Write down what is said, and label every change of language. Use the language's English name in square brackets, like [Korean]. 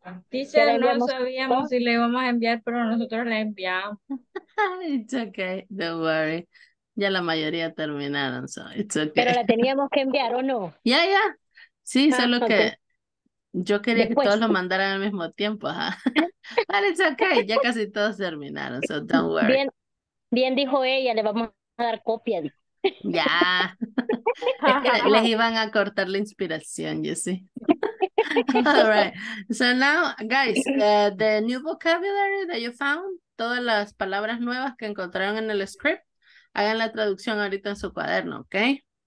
[Spanish] Dice, no sabíamos si le íbamos a enviar, pero nosotros la enviamos. [English] It's okay, don't worry. [Spanish] Ya la mayoría terminaron, [English] so it's okay. [Spanish] ¿Pero la teníamos que enviar o no? Ya, yeah, ya. Yeah. Sí, solo que yo quería después. Que todos lo mandaran al mismo tiempo. ¿Eh? [English] But it's okay, [Spanish] ya casi todos terminaron, [English] so don't worry. [Spanish] Bien, bien dijo ella, le vamos a dar copia. Ya. Yeah. Les iban a cortar la inspiración, [English] you see. All right. So now, guys, the new vocabulary that you found, [Spanish] todas las palabras nuevas que encontraron en el script, hagan la traducción ahorita en su cuaderno, ¿ok?